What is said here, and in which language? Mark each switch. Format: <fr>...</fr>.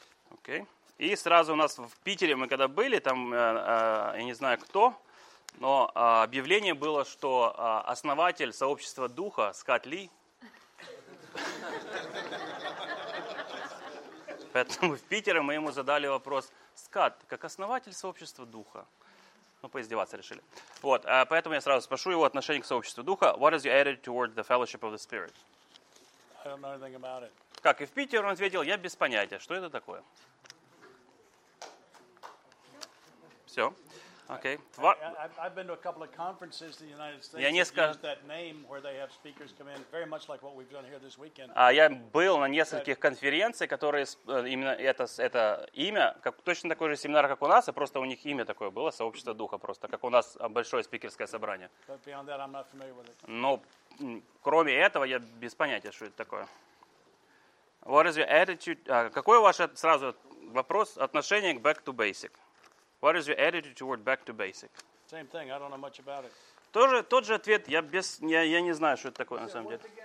<ru>Окей. И сразу у нас в Питере, мы когда были, там я не знаю кто, но объявление было, что основатель сообщества духа Скотт Ли. Поэтому в Питере мы ему задали вопрос: Скотт, как основатель сообщества духа? Ну, поиздеваться решили. Вот, поэтому я сразу спрошу его отношение к сообществу духа.</ru> <en>What is your attitude toward the fellowship of the spirit? I don't know anything about it.</en> <ru>Как и в Питере он ответил: я без понятия, что это такое. Все. Окей.</ru> <en>I've been to a couple of conferences in the United States.</en> <ru>Я несколько</ru> <en>that name where they have speakers come in very much like what we've done here this weekend.</en> <ru>А я был на нескольких конференциях, которые именно это имя, как точно такой же семинар, как у нас, а просто у них имя такое было, сообщество духа просто, как у нас большое спикерское собрание.</ru> <en>But beyond that, I'm not familiar with it.</en> <ru>Но кроме этого я без понятия, что это такое.</ru> <en>What is your attitude?</en> <ru>Какое ваше сразу вопрос отношение к</ru> <en>back to basic? What is your attitude toward back to basic? Same thing. I don't know much about it.</en> <ru>Тоже тот же ответ. Я не знаю, что это такое на самом деле.</ru>